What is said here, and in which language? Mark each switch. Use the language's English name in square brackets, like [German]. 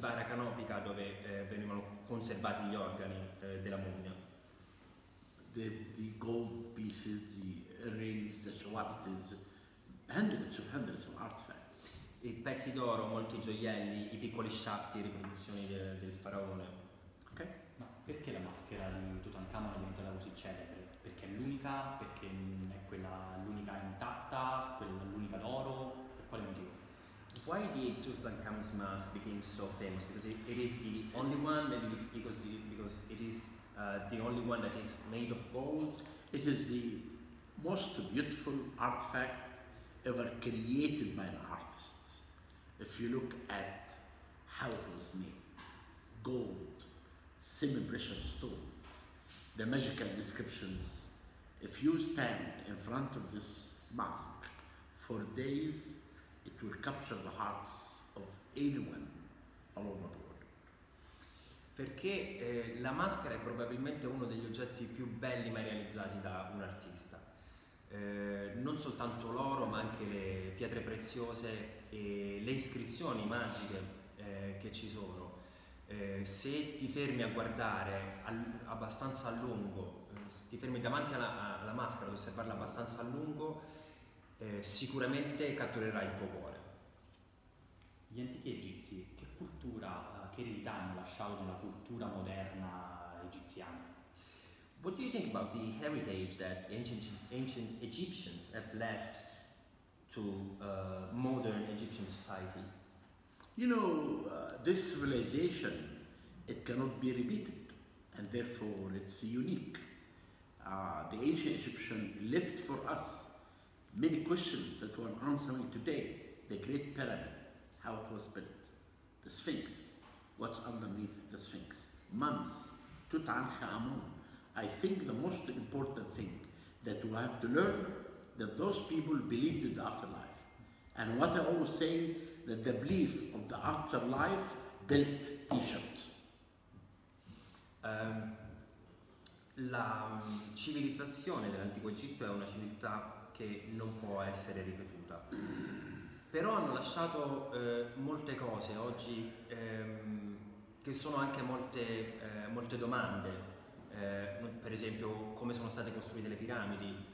[Italian] barra canopica dove venivano conservati gli organi della mummia. [English] The gold pieces, the rings, the chalices, hundreds of artifacts. [Italian] I pezzi d'oro, molti gioielli, i piccoli sciatti, riproduzioni del faraone. Ok. Ma perché la maschera di Tutankhamon è diventata così celebre? Perché è l'unica? Perché è quella l'unica intatta? Quella l'unica d'oro? Per quale motivo? [English] Why did Tutankhamon's mask become so famous? Because it is the only one, maybe because it is the only one that is made of gold. It is the most beautiful artifact ever created by an artist. If you look at how it was made, gold, semi-precious stones, the magical inscriptions. If you stand in front of this mask for days, it will capture the hearts of anyone all over the world. [Italian] Perché la maschera è probabilmente uno degli oggetti più belli mai realizzati da un artista. Non soltanto l'oro, ma anche le pietre preziose e le iscrizioni magiche che ci sono. Se ti fermi a guardare abbastanza a lungo, ti fermi davanti alla maschera ad osservarla abbastanza a lungo, sicuramente catturerà il tuo cuore. Gli antichi egizi, che cultura, che eredità hanno lasciato nella cultura moderna egiziana? [English] What do you think about the heritage that ancient Egyptians have left to modern Egyptian society? You know, this civilization, it cannot be repeated, and therefore it's unique. The ancient Egyptian left for us many questions that we're answering today. The Great Pyramid, how it was built, the Sphinx, what's underneath the Sphinx, mummies, Tutankhamun. I think the most important thing that we have to learn that those people believed in the afterlife. And what I always say, that the belief of the afterlife built Egypt. [Italian] La civilizzazione dell'antico Egitto è una civiltà che non può essere ripetuta. Però hanno lasciato molte cose oggi che sono anche molte domande, per esempio come sono state costruite le piramidi